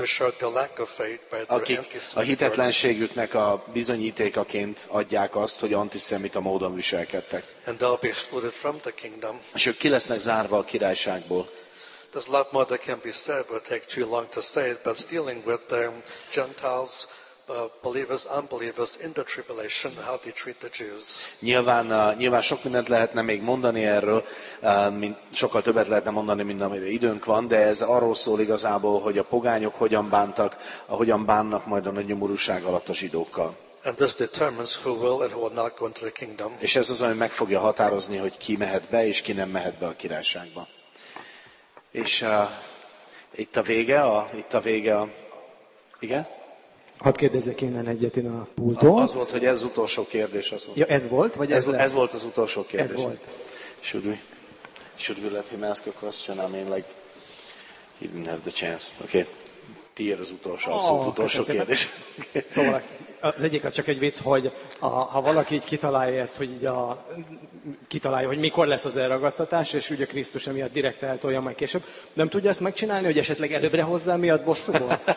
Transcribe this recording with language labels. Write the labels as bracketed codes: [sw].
[en] Who showed the lack of faith by their anti-Semitic [hu] works. A hitetlenségüknek a bizonyítékaként adják azt, hogy antiszemita módon viselkedtek. [en] And they'll be excluded from the kingdom. [hu] És ők ki lesznek zárva a királyságból. [en] There's a lot more that can be said, but it'll take too long to say it. But dealing with the Gentiles, believers, unbelievers in the tribulation, how they treat the Jews. [hu] Nyilván sok mindent lehetne még mondani erről, sokkal többet lehetne mondani, mint amire időnk van, de ez arról szól igazából, hogy a pogányok hogyan bánnak majd a nagy nyomorúság alatt a zsidókkal. [en] And this determines who will and who will not go into the kingdom. [hu] És ez az, ami meg fogja határozni, hogy ki mehet be és ki nem mehet be a királyságba. És itt a vége a... Igen? Hadd kérdezzek innen egyet, én a pulton. Az volt, hogy ez utolsó kérdés. Az volt. Ja, ez volt, vagy ez lesz? Ez volt az utolsó kérdés. Ez volt. [en] Should we let him ask a question? I mean, like, he didn't have the chance. Okay. [hu] Tiéd az utolsó, utolsó kérdés. Szóval az egyik az csak egy vicc, hogy ha valaki így kitalálja ezt, hogy így kitalálja, hogy mikor lesz az elragadtatás, és ugye Krisztus emiatt direkt eltolja majd később, nem tudja ezt megcsinálni, hogy esetleg előbbre hozzá miatt bosszúból?